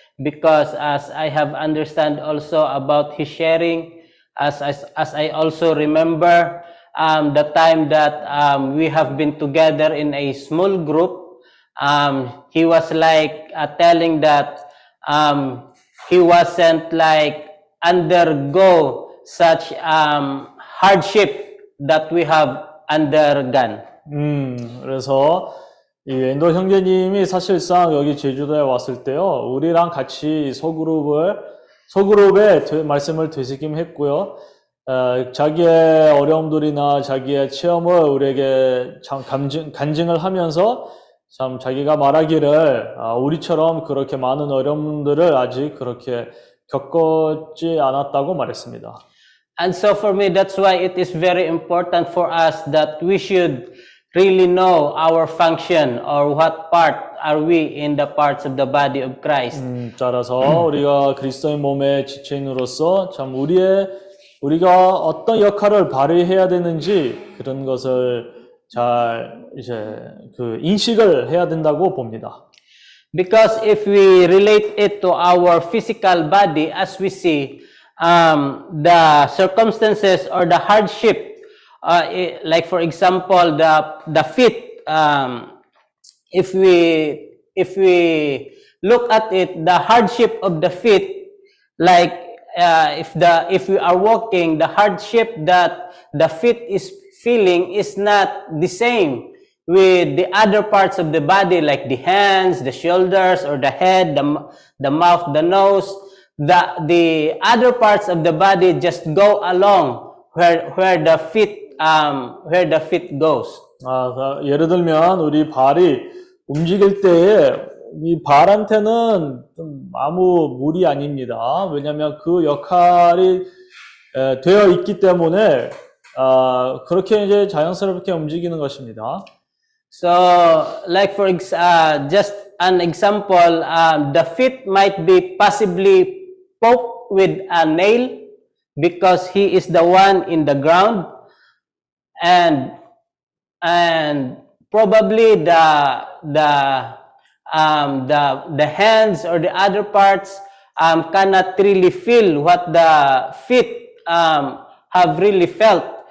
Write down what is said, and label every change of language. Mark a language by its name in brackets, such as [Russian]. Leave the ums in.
[English] Because as I have understand also about his sharing, as, as, as I also remember um, the time that um, we have been together in a small group, um, he was like uh, telling that he wasn't like undergo such um, hardship that we have undergone. [Korean] 음, 그래서 이 엔더 형제님이 사실상 여기 제주도에 왔을 때요, 우리랑 같이 소그룹을 소그룹에 말씀을 되시김했고요 자기의 어려움들이나 자기의 체험을 우리에게 간증을 감증, 하면서 참 자기가 말하기를 우리처럼 그렇게 많은 어려움들을 아직 그렇게 겪었지 않았다고 말했습니다. [English] And so for me, that's why it is very important for us that we should really know our function or what part are we in the parts of the body of Christ. [Korean] 음, 따라서 우리가 그리스도의 몸의 지체인으로서 참 우리의 우리가 어떤 역할을 발휘해야 되는지 그런 것을 잘 이제 그 인식을 해야 된다고 봅니다. [English] because if we relate it to our physical body as we see um, the circumstances or the hardship uh, it, like for example the the feet um, if we if we look at it the hardship of the feet like uh, if the if we are walking the hardship that the feet is feeling is not the same with the other parts of the body like the hands, the shoulders, or the head, the, the mouth, the nose, the, the other parts of the body just go along where, where the feet, um, where the feet goes. [Korean] 아, 자, 예를 들면, 우리 발이 움직일 때에 이 발한테는 좀 아무 무리 아닙니다. 왜냐하면 그 역할이 에, 되어 있기 때문에 아, 그렇게 이제 자연스럽게 움직이는 것입니다. [English] So, like for uh, just an example, um, the feet might be possibly poked with a nail because he is the one in the ground, and and probably the the um, the the hands or the other parts um, cannot really feel what the feet um, have really felt.